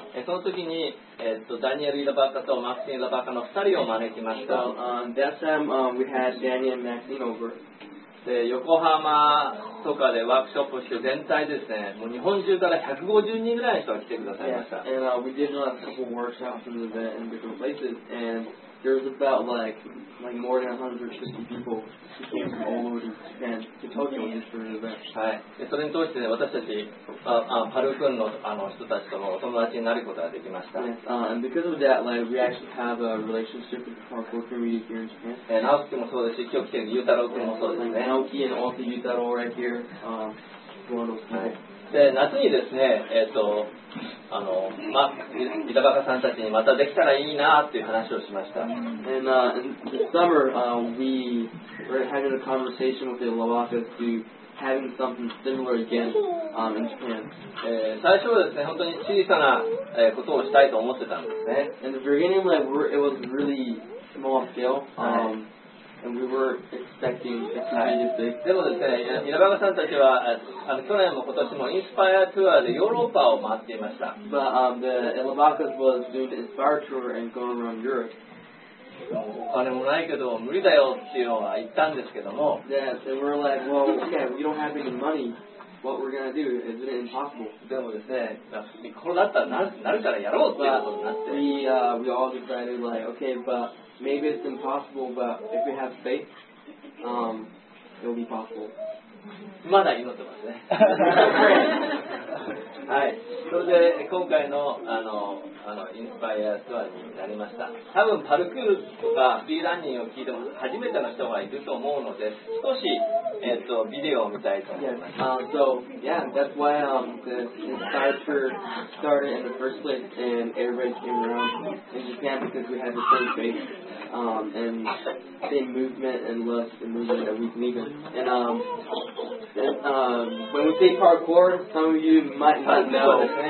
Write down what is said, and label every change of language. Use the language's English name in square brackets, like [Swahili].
[Japanese] その時に、ダニエル・イラバカとマクシン・イラバカの2人を招きました。 [English] We had Danny and Maxine over. [Japanese] で、横浜とかでワークショップして全体ですね、もう日本中から150人ぐらいの人が来てくださいました。 [English] Yeah. And we did a couple workshops and events in different places, andThere's about like more than 150 people who came from all over Japan to Tokyo just for an event. [Japanese] はい。で、それに通してね、私たち、パル君の、人たちともお友達になることができました。 [English] And because of that, like, we actually have a relationship with the parkour community here in Japan. [Japanese] And Naoki君もそうですし、今日来てるユータロー君もそうですね。 [English] Naoki and also Yutaro right here, one of those people. [Japanese] で夏にですね、ま、リタバカさんたちにまたできたらいいなっていう話をしました。 [English] And, in the summer, we were having a conversation with the Lawaka to having something similar again, in Japan. [Japanese] 最初はですね、本当に小さな、ことをしたいと思ってたんですね。 [English] In the beginning, like, it was really small scale.、And we were expecting it to be this big. [Japanese] でもですね、イラバガさんたちは去年も今年もインスパイアツアーでヨーロッパを回っていました。 [English] But, the Ilabakas was doing the Inspire tour and going around Europe. [Japanese] お金もないけど無理だよっていうのは言ったんですけども。 [English] Yes, and we're like, well, okay, we don't have any money. What we're gonna do? Is it impossible? [Japanese] でもですね、これだったらなるからやろうっていうことになって。 [English] We all decided like, okay, but. Maybe it's impossible, but if we have faith, it'll be possible. [Japanese] まだ祈ってますね。はい。それで今回のインスパイアツアーになりました。多分パルクールとかフリーランニングを聞いても初めての人がいると思うので、少しビデオを見たいと思います。 [English] Yeah. So yeah, that's why the Inspire tour started in the first place, and everybody came around in Japan because we had the same faith. And same movement and love the movement that we believe in. And when we say parkour, some of you might not know.